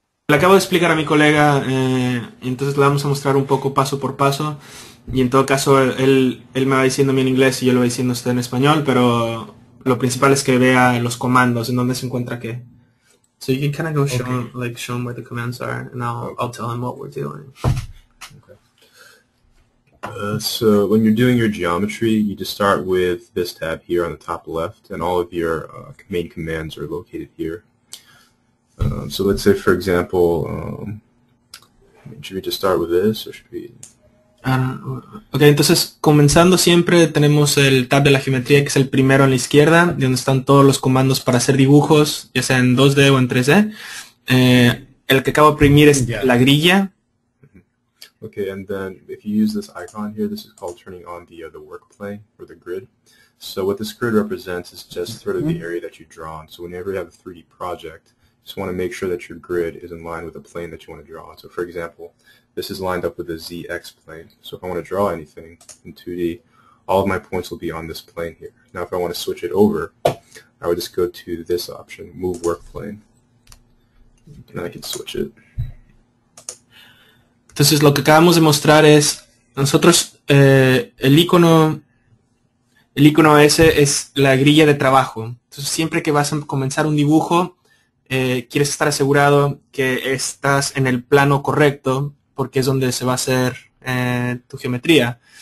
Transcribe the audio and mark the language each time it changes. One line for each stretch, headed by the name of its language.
Spanish: Le acabo de explicar a mi colega, entonces le vamos a mostrar un poco paso por paso, y en todo caso él me va diciendo en inglés y yo lo voy diciendo usted en español, pero lo principal es que vea los comandos, en dónde se encuentra qué.
English: So you can kind of go Okay. show him where the commands are, and I'll tell him what we're doing. So when you're doing your geometry, you just start with this tab here on the top left, and all of your main commands are located here. So let's say, for example, should we just start with this, or should we?
Spanish: Ok, entonces comenzando siempre tenemos el tab de la geometría que es el primero en la izquierda, de donde están todos los comandos para hacer dibujos, ya sea en 2D o en 3D. El que acabo de imprimir es la grilla.
English: Okay, and then if you use this icon here, this is called turning on the work plane or the grid. So what this grid represents is just sort of the area that you've drawn. So whenever you have a 3D project, just want to make sure that your grid is in line with the plane that you want to draw. So for example, this is lined up with the ZX plane. So if I want to draw anything in 2D, all of my points will be on this plane here. Now if I want to switch it over, I would just go to this option, move work plane. And I can switch it.
Spanish: Entonces lo que acabamos de mostrar es, nosotros el icono ese es la grilla de trabajo. Entonces siempre que vas a comenzar un dibujo, quieres estar asegurado que estás en el plano correcto, porque es donde se va a hacer tu geometría.